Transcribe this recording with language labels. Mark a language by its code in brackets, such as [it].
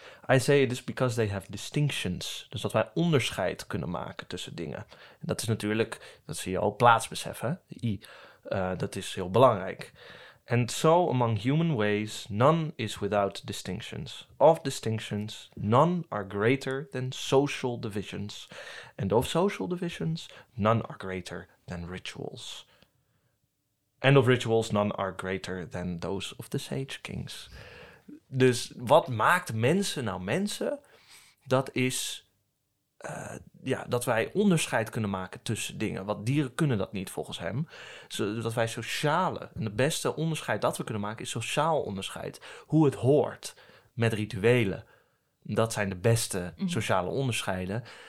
[en] I say it is because they have distinctions. [nl] Dus dat wij onderscheid kunnen maken tussen dingen. En dat is natuurlijk, dat zie je al, plaatsbesef, hè? De I. Dat is heel belangrijk. [en] And so among human ways, none is without distinctions. Of distinctions, none are greater than social divisions. And of social divisions, none are greater than rituals. And of rituals, none are greater than those of the sage kings. [nl] Dus wat maakt mensen nou mensen? Dat is dat wij onderscheid kunnen maken tussen dingen. Want dieren kunnen dat niet volgens hem. Dat wij sociale, en het beste onderscheid dat we kunnen maken is sociaal onderscheid. Hoe het hoort met rituelen. Dat zijn de beste sociale onderscheiden.